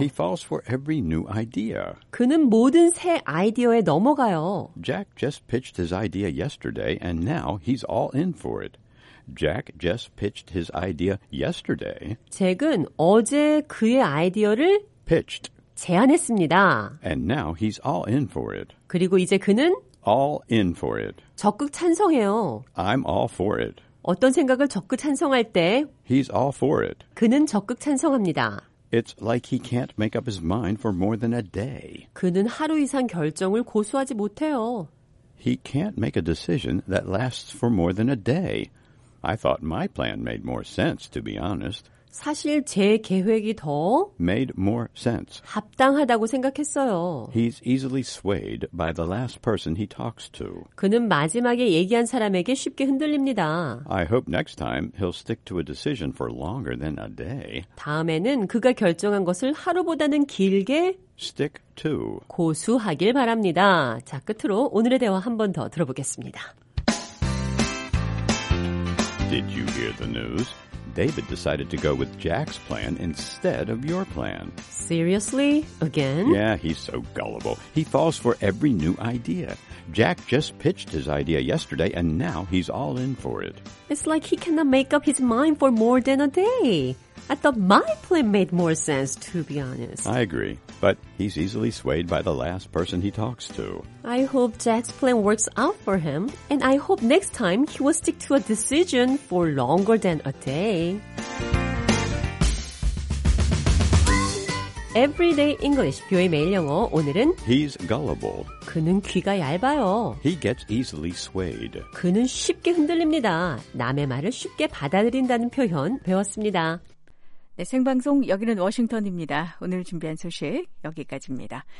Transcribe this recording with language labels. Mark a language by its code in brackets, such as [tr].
[en] He falls for every new idea. [ko] 그는 모든 새 아이디어에 넘어가요. [en] Jack just pitched his idea yesterday, and now he's all in for it. Jack just pitched his idea yesterday. [ko] 잭은 어제 그의 아이디어를 [en] pitched [ko] 제안했습니다. [en] And now he's all in for it. [ko] 그리고 이제 그는 [en] all in for it. [ko] 적극 찬성해요. [en] I'm all for it. [ko] 어떤 생각을 적극 찬성할 때 [en] He's all for it. [ko] 그는 적극 찬성합니다. [en] It's like he can't make up his mind for more than a day. [ko] 그는 하루 이상 결정을 고수하지 못해요. [en] He can't make a decision that lasts for more than a day. I thought my plan made more sense, to be honest. [ko] 사실 제 계획이 더 [en] made more sense. [ko] 합당하다고 생각했어요. [en] He's easily swayed by the last person he talks to. [ko] 그는 마지막에 얘기한 사람에게 쉽게 흔들립니다. [en] I hope next time he'll stick to a decision for longer than a day. [ko] 다음에는 그가 결정한 것을 하루보다는 길게 [en] stick to [ko] 고수하길 바랍니다. 자, 끝으로 오늘의 대화 한 번 더 들어보겠습니다. [en] Did you hear the news? David decided to go with Jack's plan instead of your plan. Seriously? Again? Yeah, he's so gullible. He falls for every new idea. Jack just pitched his idea yesterday, and now he's all in for it. It's like he cannot make up his mind for more than a day. I thought my plan made more sense, to be honest. I agree, but he's easily swayed by the last person he talks to. I hope Jack's plan works out for him, and I hope next time he will stick to a decision for longer than a day. Everyday English, [ko] 뷰의 매일 영어, 오늘은 [en] He's gullible. [ko] 그는 귀가 얇아요. [en] He gets easily swayed. [ko] 그는 쉽게 흔들립니다. 남의 말을 쉽게 받아들인다는 표현 배웠습니다. 네, 생방송 여기는 워싱턴입니다. 오늘 준비한 소식 여기까지입니다.